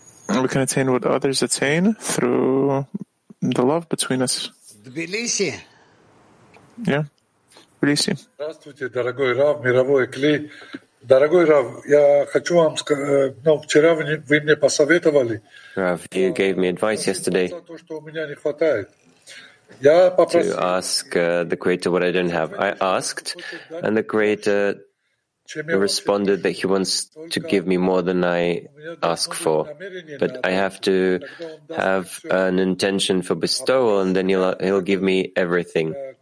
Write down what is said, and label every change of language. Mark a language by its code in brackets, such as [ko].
[en] We can attain what others attain through the love between us. [ru] Тбилиси. Yeah. Здравствуйте, дорогой Рав, мировой кли. Дорогой Рав, я хочу вам сказать, ну, вчера вы мне посоветовали. [en] Rav, you gave me advice yesterday. [ru] То, что у меня не хватает. Я попросил. [en] To ask the Creator what I don't have. I asked, and the Creator responded that he wants to give me more than I ask for. But I have to have an intention for bestowal, and then he'll give me everything.